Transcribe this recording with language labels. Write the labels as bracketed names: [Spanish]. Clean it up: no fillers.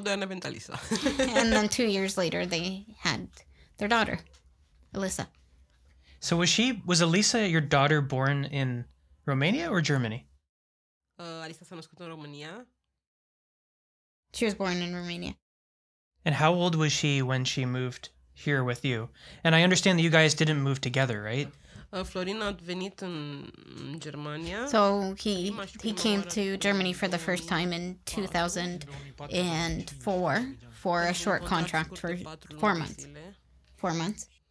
[English] And then 2 years later, they had their daughter, Alyssa. So was Alyssa your daughter born in Romania or Germany? [Romanian] Alyssa s-a născut în România. [English] She was born in Romania. And how old was she when she moved here with you? And I understand that you guys didn't move together, right? [Romanian] Florin a venit în Germania. [English] So he came to Germany for the first time in 2004 for a short contract for 4 months. 4 months.